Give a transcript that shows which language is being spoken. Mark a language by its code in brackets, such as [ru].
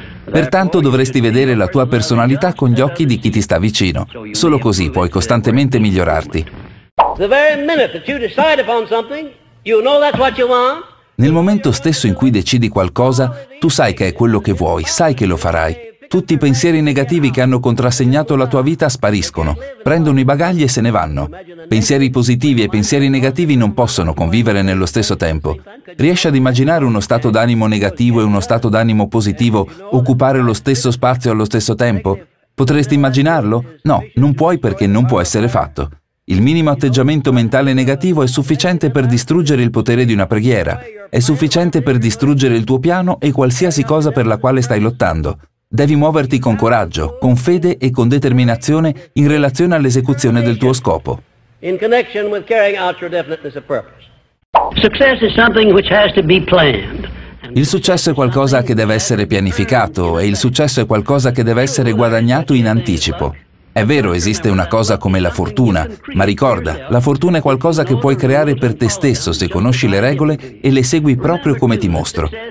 [it] Pertanto dovresti vedere la tua personalità con gli occhi di chi ti sta vicino. Solo così puoi costantemente migliorarti. [en] The very minute that you decide upon something, you know that's what you want, [it] Nel momento stesso in cui decidi qualcosa, tu sai che è quello che vuoi, sai che lo farai. Tutti i pensieri negativi che hanno contrassegnato la tua vita spariscono, prendono i bagagli e se ne vanno. Pensieri positivi e pensieri negativi non possono convivere nello stesso tempo. Riesci ad immaginare uno stato d'animo negativo e uno stato d'animo positivo occupare lo stesso spazio allo stesso tempo? Potresti immaginarlo? No, non puoi perché non può essere fatto. Il minimo atteggiamento mentale negativo è sufficiente per distruggere il potere di una preghiera. È sufficiente per distruggere il tuo piano e qualsiasi cosa per la quale stai lottando. Devi muoverti con coraggio, con fede e con determinazione in relazione all'esecuzione del tuo scopo. [en] In connection with carrying out your definiteness of purpose. Success is something which has to be planned. [it] Il successo è qualcosa che deve essere pianificato e il successo è qualcosa che deve essere guadagnato in anticipo. È vero, esiste una cosa come la fortuna, ma ricorda, la fortuna è qualcosa che puoi creare per te stesso se conosci le regole e le segui proprio come ti mostro.